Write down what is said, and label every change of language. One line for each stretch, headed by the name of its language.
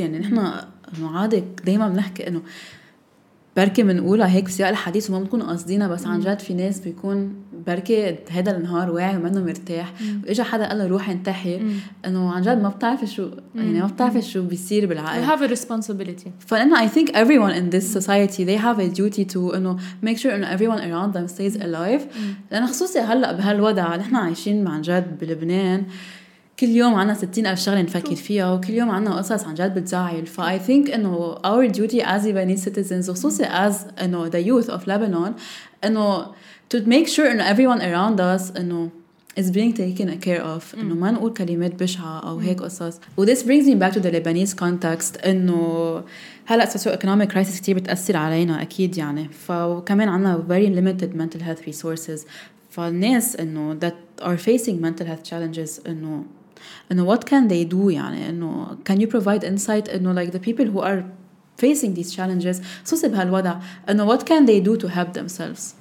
Arabic: يعني نحنا عادة دايما بنحكي إنه بركة منقولها هيك بسياق الحديث وما بنكون قصدينا، بس عن جد في ناس بيكون بركة هذا النهار واعي ومنه مرتاح وإجا حدا قال له روح انتحي، إنه عن جد ما بتعرف شو يعني ما بتعرف شو بيصير بالعقل.
English: We have a responsibility. فأنا I think everyone in this society they have a duty to إنه make sure إنه everyone around them stays alive.
Arabic: لأن خصوصي هلأ بهالوضع نحن عايشين عن جد بلبنان، كل يوم عنا 60,000 شغلة نفكر فيها، وكل يوم عنا قصص عن جد بتزعل.
English: فI think إنه our duty as Lebanese citizens، خصوصي as إنه the youth of Lebanon، إنه to make sure إنه everyone around us إنه is being taken care of.
Arabic: إنه ما نقول كلمات بشعة أو هيك قصص.
English: And this brings me back to the Lebanese context، إنه هلأ socio-economic crisis
Arabic: كتير بتأثر علينا أكيد يعني. فكمان عنا
English: very limited mental health resources. فالناس إنه that are facing mental health challenges إنه what can they do يعني إنه can you provide insight إنه like the people who are facing these challenges
Arabic: خصوصي بهالوضع
English: إنه what can they do to help themselves.